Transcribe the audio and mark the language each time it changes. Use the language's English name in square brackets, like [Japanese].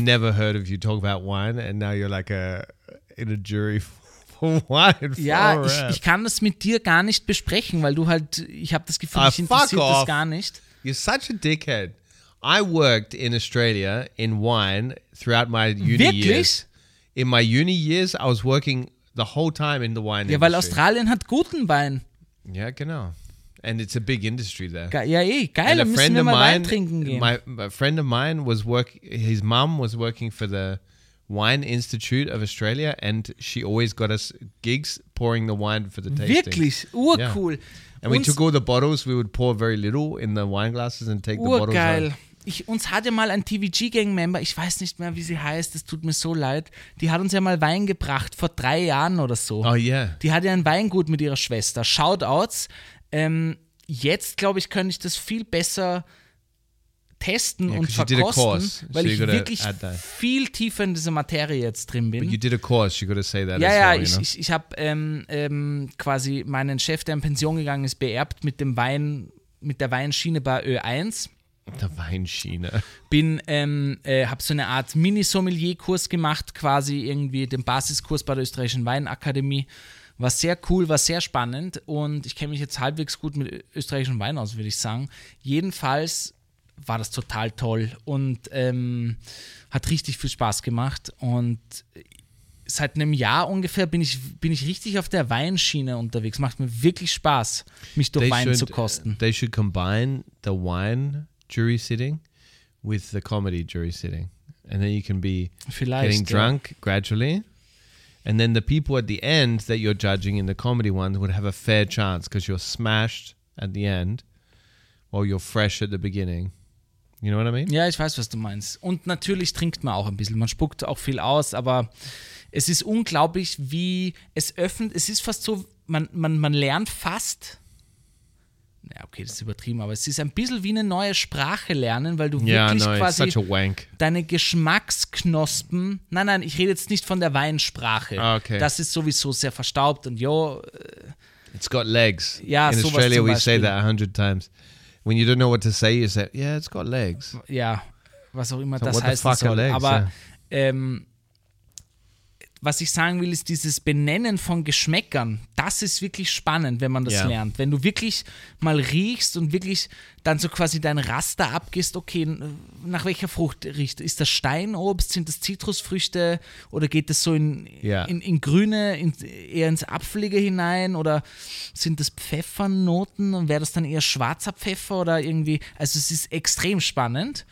[English] never heard of you talk about wine and now you're like in a jury for wine. For [German] ja, ich kann das mit dir gar nicht besprechen, weil du halt, ich habe das Gefühl, ich interessiere das gar nicht. [English] You're such a dickhead. I worked in Australia in wine throughout my uni [German] Wirklich? [English] Years. In my uni years, I was working the whole time in the wine [German] ja, Ja, weil Australien hat guten Wein. Ja, genau. [English] And it's a big industry there. [German] Ja, geil, [English] and a friend [German] müssen wir mal [English] of mine, [German] Wein trinken gehen. [English] A friend of mine his mom was working for the Wine Institute of Australia and she always got us gigs pouring the wine for the tasting. [German] Wirklich? Urcool. [English] Yeah. And we took all the bottles, we would pour very little in the wine glasses and take [German] urgeil. [English] The bottles [German] geil. Uns hat ja mal ein TVG-Gang-Member, ich weiß nicht mehr, wie sie heißt, es tut mir so leid, die hat uns ja mal Wein gebracht, vor 3 Jahren oder so. [English] Oh yeah. [German] Die hatte ein Weingut mit ihrer Schwester. Shoutouts. Jetzt, glaube ich, könnte ich das viel besser testen und verkosten, weil ich wirklich viel tiefer in diese Materie jetzt drin bin. [English] But you did a course, you gotta say that. [German] Ja, ja, [English] well, [German] ich habe quasi meinen Chef, der in Pension gegangen ist, beerbt mit dem Wein, mit der Weinschiene bei Ö1. Der Weinschiene. Bin, habe so eine Art Mini-Sommelier-Kurs gemacht, quasi irgendwie den Basiskurs bei der Österreichischen Weinakademie. War sehr cool, war sehr spannend und ich kenne mich jetzt halbwegs gut mit österreichischem Wein aus, würde ich sagen. Jedenfalls war das total toll und hat richtig viel Spaß gemacht. Und seit einem Jahr ungefähr bin ich richtig auf der Weinschiene unterwegs. Macht mir wirklich Spaß, mich durch Wein zu kosten. [English] They should combine the wine jury sitting with the comedy jury sitting. And then you can be getting drunk gradually. And then the people at the end that you're judging in the comedy ones would have a fair chance because you're smashed at the end or you're fresh at the beginning. You know what I mean? [German] Ja, ich weiß, was du meinst. Und natürlich trinkt man auch ein bisschen. Man spuckt auch viel aus, aber es ist unglaublich, wie es öffnet. Es ist fast so, man lernt fast, na okay, das ist übertrieben, aber es ist ein bisschen wie eine neue Sprache lernen, weil du wirklich quasi [English] such a wank. [German] Deine Geschmacksknospen, nein, ich rede jetzt nicht von der Weinsprache. [English] Oh, okay. [German] Das ist sowieso sehr verstaubt und jo. [English] It's got legs. [German] Ja, [English] in [German] sowas [English] Australia [German] zum [English] we [German] Beispiel. [English] Say that 100 times. When you don't know what to say, you say, yeah, it's got legs. [German] Ja, was auch immer so das heißt. Aber yeah. Was ich sagen will, ist dieses Benennen von Geschmäckern, das ist wirklich spannend, wenn man das yeah. lernt. Wenn du wirklich mal riechst und wirklich dann so quasi dein Raster abgehst, okay, nach welcher Frucht riecht? Ist das Steinobst, sind das Zitrusfrüchte oder geht das so in Grüne, eher ins Apfelige hinein oder sind das Pfeffernoten und wäre das dann eher schwarzer Pfeffer oder irgendwie, also es ist extrem spannend.